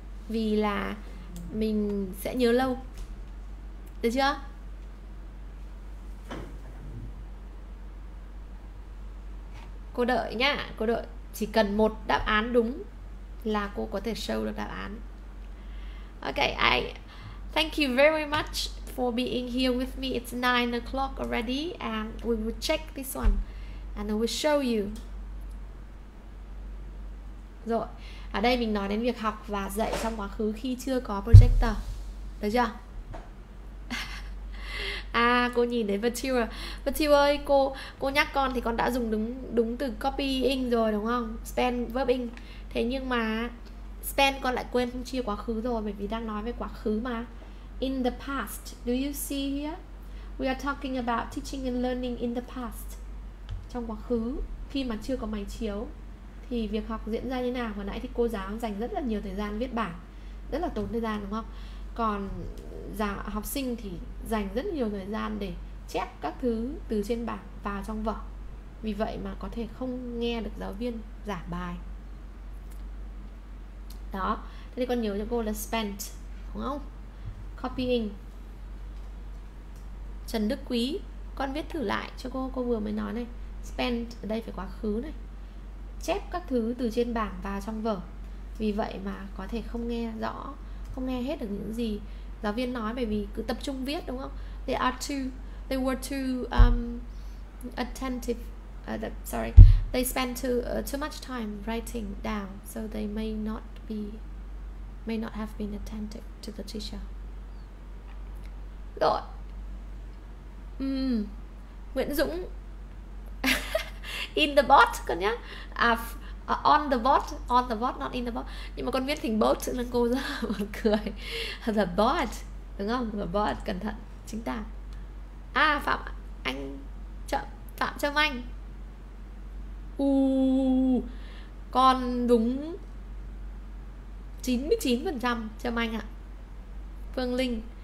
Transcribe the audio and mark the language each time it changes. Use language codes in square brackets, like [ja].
[vi] Vì là mình sẽ nhớ lâu. Được chưa? Cô đợi nhá, cô đợi. Chỉ cần một đáp án đúng là cô có thể show được đáp án. [en] Okay, thank you very much for being here with me. It's 9 o'clock already and we will check this one and I will show you. [vi] Rồi. Ở đây mình nói đến việc học và dạy trong quá khứ khi chưa có projector. Được chưa? À, cô nhìn thấy Vatira. Vatira ơi, cô nhắc con thì con đã dùng đúng đúng từ copy in rồi đúng không? [en] Spend verb in. [vi] Thế nhưng mà spend con lại quên không chia quá khứ rồi bởi vì đang nói về quá khứ mà. [en] In the past, do you see here? We are talking about teaching and learning in the past. [vi] Trong quá khứ, khi mà chưa có máy chiếu. Thì việc học diễn ra như nào? Hồi nãy thì cô giáo dành rất là nhiều thời gian viết bảng, rất là tốn thời gian đúng không? Còn giáo học sinh thì dành rất nhiều thời gian để chép các thứ từ trên bảng vào trong vở. Vì vậy mà có thể không nghe được giáo viên giảng bài. Đó, thế thì con nhớ cho cô là spent đúng không? Copying. Trần Đức Quý, con viết thử lại cho cô vừa mới nói này. Spent ở đây phải quá khứ này. Chép các thứ từ trên bảng vào trong vở. Vì vậy mà có thể không nghe rõ, không nghe hết được những gì giáo viên nói bởi vì cứ tập trung viết đúng không? [en] They were too attentive, sorry, they spent too much time writing down, so they may not have been attentive to the teacher. [vi] Rồi. [en] Nguyễn Dũng. In the boat [vi] con nhé. [en] On the boat, on the boat, not in the boat. [vi] Nhưng mà con viết thành boat nên cô rất là buồn cười. The boat, đúng không? The boat, cẩn thận, chính tả. À, Phạm, anh Chợ Phạm Trâm Anh. U Con đúng 99% Trâm Anh ạ. Phương Linh.